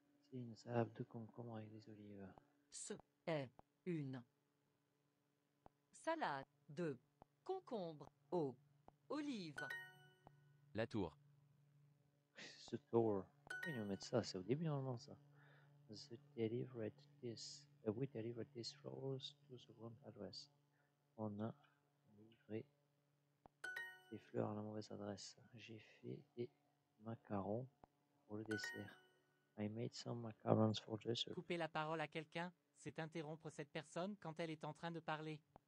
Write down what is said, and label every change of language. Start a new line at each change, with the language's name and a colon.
French: C'est une salade de concombre avec des olives. Ce est une salade de concombre aux olives. La tour.
English: The tour.
French: Oui, on va mettre ça, c'est au début normalement ça.
English: The delivered this. We delivered this rose to the wrong address.
French: On a livré des fleurs à la mauvaise adresse. J'ai fait des macarons pour le dessert.
English: I made some macarons for dessert.
French: Couper la parole à quelqu'un, c'est interrompre cette personne quand elle est en train de parler.